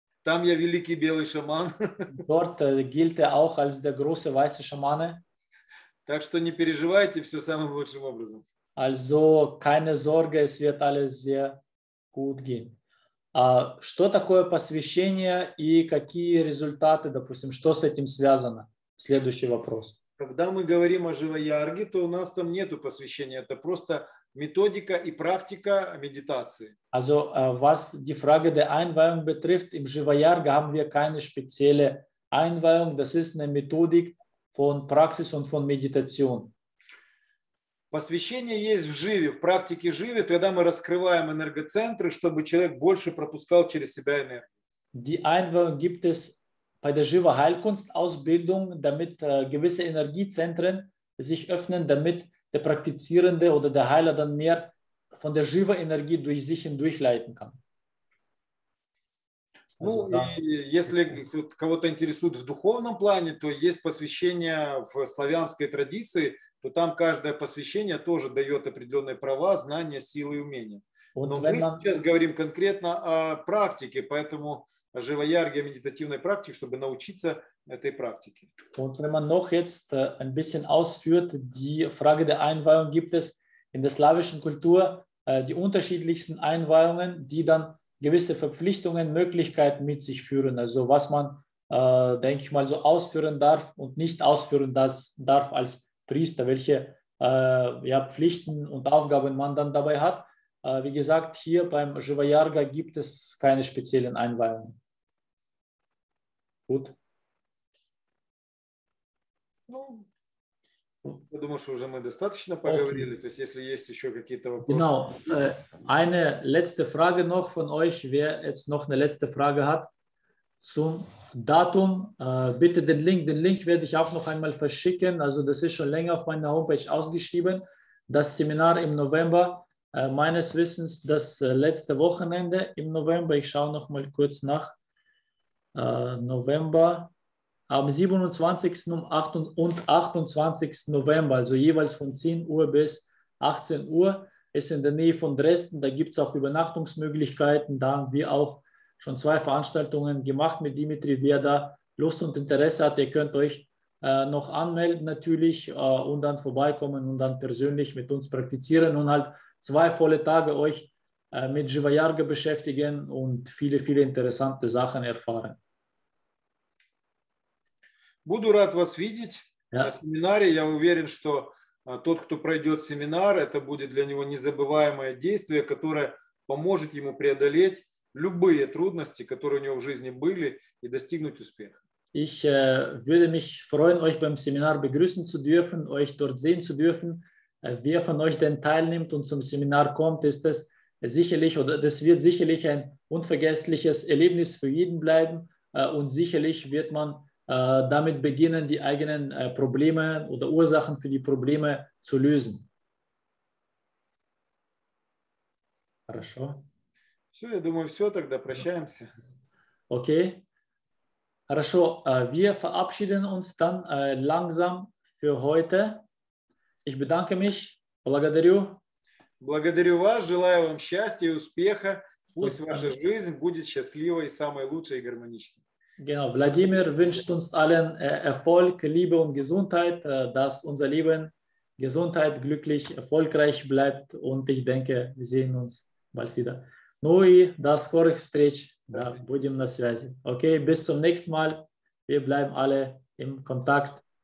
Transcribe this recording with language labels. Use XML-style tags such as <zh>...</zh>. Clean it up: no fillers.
<ru>Там я великий белый шаман.</ru> <de>Dort gilt er auch als der große weiße Schamane.</de> <ru>Так что не переживайте, все самым лучшим образом.</ru> <de>Also keine Sorge, es wird alles sehr gut gehen.</de> <ru>Что такое посвящение и какие результаты, допустим, что с этим связано? Следующий вопрос. Когда мы говорим о живоярге, то у нас там нету посвящения, это просто методика и практика медитации.</ru> <de>Also, was die Frage der Einweihung betrifft, im Живоярга haben wir keine spezielle Einweihung, das ist eine Methodik von Praxis und von Meditation.</de> <ru>Посвящение есть в живе, в практике живе, когда мы раскрываем энергоцентры, чтобы человек больше пропускал через себя энергию.</ru> <de>Die Einweihung gibt es bei der Jiva-Heilkunst-Ausbildung, damit gewisse Energiezentren sich öffnen, damit der Praktizierende oder der Heiler dann mehr von der Jiva-Energie durch sich hindurchleiten kann.</de> <ru>Ну, и если кого-то интересует в духовном плане, то есть посвящение в славянской традиции, то там каждое посвящение тоже дает определенные права, знания, силы и умения. Но мы сейчас говорим конкретно о практике, поэтому о живоярге, о медитативной практике, чтобы научиться этой практике.</ru> <de>Und wenn man noch jetzt ein bisschen ausführt, die Frage der Einweihung gibt es in der slawischen Kultur, die unterschiedlichsten Einweihungen, die dann gewisse Verpflichtungen, Möglichkeiten mit sich führen, also was man, denke ich mal, so ausführen darf und nicht ausführen darf als Priester, welche ja, Pflichten und Aufgaben man dann dabei hat. Wie gesagt, hier beim Живоярга gibt es keine speziellen Einweihungen. Gut.</de> <ru>Ну, я думаю, что уже мы достаточно поговорили. Okay. То есть, если есть еще какие-то вопросы.</ru> <de>Genau. Eine letzte Frage noch von euch. Wer jetzt noch eine letzte Frage hat zum Datum, bitte den Link. Den Link werde ich auch noch einmal verschicken. Also, das ist schon länger auf meiner Homepage ausgeschrieben. Das Seminar im November, meines Wissens das letzte Wochenende im November. Ich schaue noch mal kurz nach November. Am 27. und 28. November, also jeweils von 10 Uhr bis 18 Uhr, ist in der Nähe von Dresden. Da gibt es auch Übernachtungsmöglichkeiten. Da haben wir auch schon zwei Veranstaltungen gemacht mit Dimitri. Wer da Lust und Interesse hat, ihr könnt euch noch anmelden natürlich und dann vorbeikommen und dann persönlich mit uns praktizieren und halt zwei volle Tage euch mit Jiva Yoga beschäftigen und viele, viele interessante Sachen erfahren.</de> <ru>Буду рад вас видеть на семинаре. Я уверен, что тот, кто пройдет семинар, это будет для него незабываемое действие, которое поможет ему преодолеть любые трудности, которые у него в жизни были, и достигнуть успеха.</ru> <de>Ich würde mich freuen, euch beim Seminar begrüßen zu dürfen, euch dort sehen zu dürfen. Wer von euch denn teilnimmt und zum Seminar kommt, ist das sicherlich oder das wird sicherlich ein unvergessliches Erlebnis für jeden bleiben. Und sicherlich wird man damit beginnen, die eigenen Probleme oder Ursachen für die Probleme zu lösen.</de> <ru>Хорошо. Все, я думаю, все, тогда прощаемся.</ru> <de>Okay.</de> <ru>Хорошо,</ru> <de>wir verabschieden uns dann langsam für heute. Ich bedanke mich,</de> <ru>благодарю. Благодарю вас, желаю вам счастья и успеха. Пусть ваша жизнь будет счастливой, самой лучшей и гармоничной.</ru> <de>Genau, Владимир wünscht uns allen Erfolg, Liebe und Gesundheit, dass unser Leben Gesundheit glücklich, erfolgreich bleibt. Und ich denke, wir sehen uns bald wieder.</de> <ru>Ну и до скорых встреч. Да, будем на связи.</ru> <de>Окей, bis zum nächsten Mal. Wir bleiben alle im Kontakt.</de>